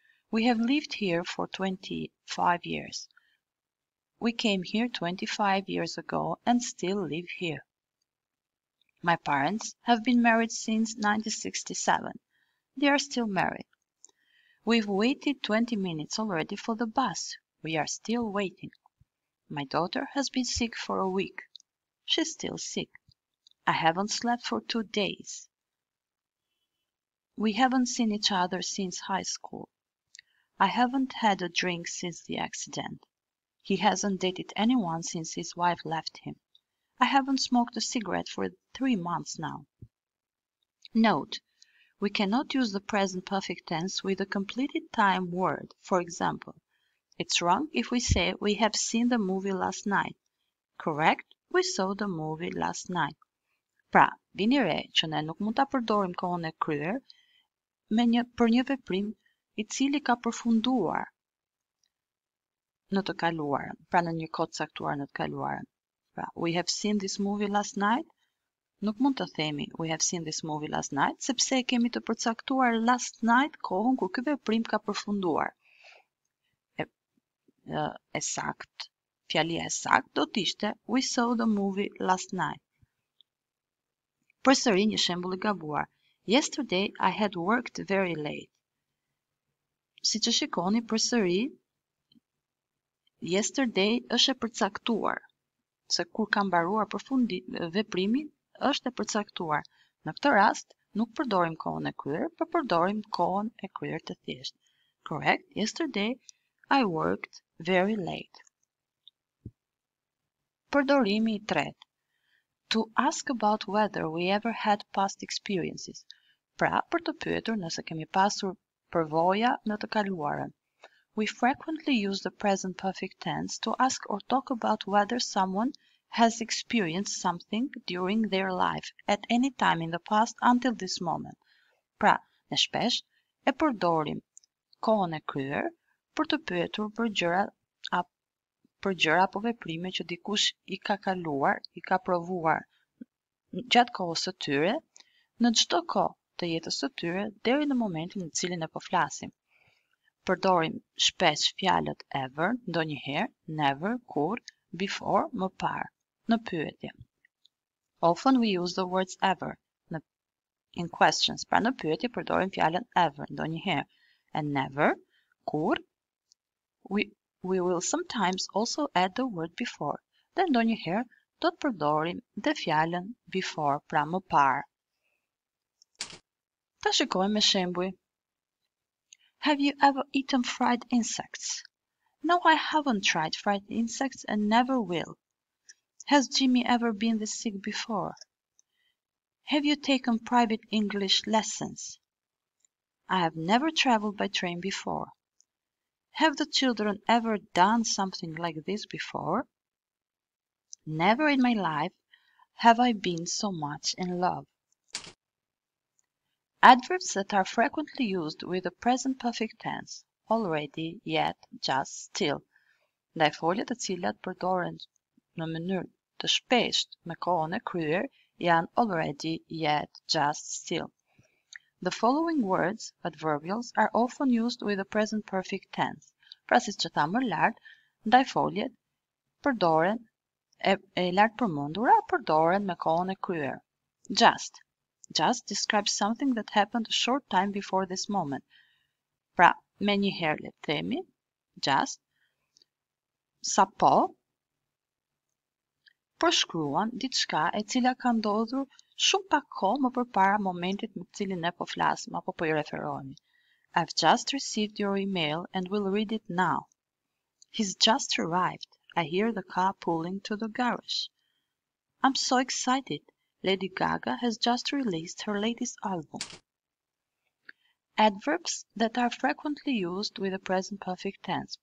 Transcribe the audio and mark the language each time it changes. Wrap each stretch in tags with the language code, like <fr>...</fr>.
<en>We have lived here for 25 years. We came here 25 years ago and still live here. My parents have been married since 1967. They are still married. We've waited 20 minutes already for the bus. We are still waiting. My daughter has been sick for a week. She's still sick. I haven't slept for 2 days. We haven't seen each other since high school. I haven't had a drink since the accident. He hasn't dated anyone since his wife left him. I haven't smoked a cigarette for 3 months now. Note, we cannot use the present perfect tense with a completed time word. For example, it's wrong if we say we have seen the movie last night. Correct? We saw the movie last night.</en> <sq>Pra, vini re që ne nuk mund ta përdorim kohën e kryer me një për një veprim I cili ka përfunduar në të kaluarën, pra në një kohë caktuar në të kaluarën.</sq> <en>Pra, we have seen this movie last night.</en> <sq>Nuk mund të themi</sq> <en>we have seen this movie last night</en> <sq>sepse kemi të përcaktuar last night kohën kur ky veprim ka përfunduar. E sakt. Fjalia e sakt do të ishte</sq> <en>we saw the movie last night.</en> <sq>Përsëri një shembull I gabuar.</sq> <en>Yesterday I had worked very late.</en> <sq>Siç e shikoni përsëri yesterday është e përcaktuar. Se kur ka mbaruar përfundim veprimin është e përcaktuar. Në këtë rast nuk përdorim kohën e kryer, por përdorim kohën e kryer të thjeshtë.</sq> <en>Correct? Yesterday I worked very late.</en> <sq>Përdorimi I tretë.</sq> <en>To ask about whether we ever had past experiences.</en> <sq>Pra, për të pyetur nëse kemi pasur përvoja në të kaluarën.</sq> <en>We frequently use the present perfect tense to ask or talk about whether someone has experienced something during their life at any time in the past until this moment.</en> <sq>Pra, ne shpesh, e përdorim kohën e kryer për të pyetur për gjëra apo veprime që dikush I ka kaluar, I ka provuar gjatë kohës së tyre, në çdo kohë të jetës së tyre deri në momentin në cilin e po flasim. Përdorim shpesh fjalët ever, ndonjëherë, never, kur, before, më parë, në pyetje.</sq> <en>Often we use the words ever in questions.</en> <sq>Pra në pyetje përdorim fjalën ever, ndonjëherë, and never, kur.</sq> <en>We will sometimes also add the word before.</en> <sq>Dhe ndonjëherë do të përdorim dhe fjalën before, pra më parë. Ta shikojmë me shembuj.</sq> <en>Have you ever eaten fried insects? No, I haven't tried fried insects and never will. Has Jimmy ever been this sick before? Have you taken private English lessons? I have never traveled by train before. Have the children ever done something like this before? Never in my life have I been so much in love. Adverbs that are frequently used with the present perfect tense, already, yet, just, still.</en> <sq>Ndaj foljet të cilat përdoren në mënyrë të shpesht me kohën e kryer janë already, yet, just, still.</sq> <en>The following words, adverbials, are often used with the present perfect tense.</en> <sq>Pra siç që tha më lart, ndaj foljet përdoren e lart përmendura përdoren me kohën e kryer.</sq> <en>Just. Just describes something that happened a short time before this moment.</en> <sq>Pra, me një herë le të themi, just, sa po, përshkruan diçka e cila ka ndodhur shumë pak kohë më përpara momentit me cilin ne po flasim apo po I referohemi.</sq> <en>I've just received your email and will read it now. He's just arrived. I hear the car pulling to the garage. I'm so excited. Lady Gaga has just released her latest album. Adverbs that are frequently used with the present perfect tense.</en>